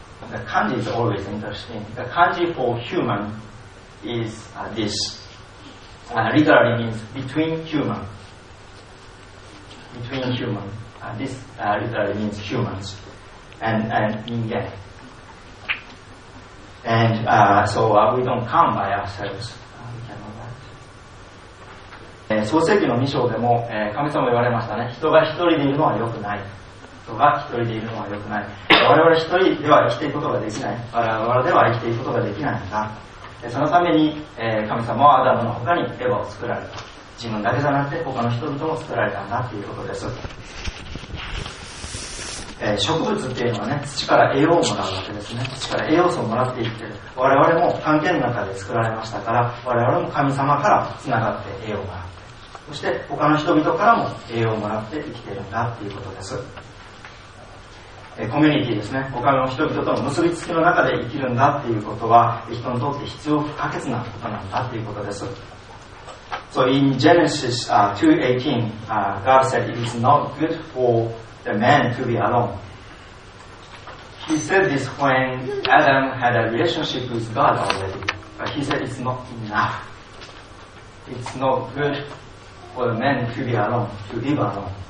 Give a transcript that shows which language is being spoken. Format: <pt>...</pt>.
<en>The kanji is always interesting. The kanji for human is this, and literally means between human. Between human, this literally means humans and 人間 and we don't come by ourselves. We can know that.</en> <ja>創世記の2章でも、神様言われましたね。人が一人でいるのは良くない。人が一人でいるのは良くない。我々一人では生きていくことができない。我々では生きていくことができないんだ。そのために、神様はアダムの他にエヴァを作られた。自分だけじゃなくて他の人々も作られたんだということです。植物っていうのはね、土から栄養をもらうわけですね。土から栄養素をもらっていってる。我々も関係の中で作られましたから、我々も神様からつながって栄養をもらって、そして他の人々からも栄養をもらって生きてるんだということです。コミュニティですね、他の人々との結びつきの中で生きるんだということは、人にとって必要不可欠なことなんだということです。</ja> <en>So in Genesis 2:18, God said it is not good for the man to be alone. He said this when Adam had a relationship with God already. But he said it's not enough. It's not good for the man to be alone, to live alone.</en>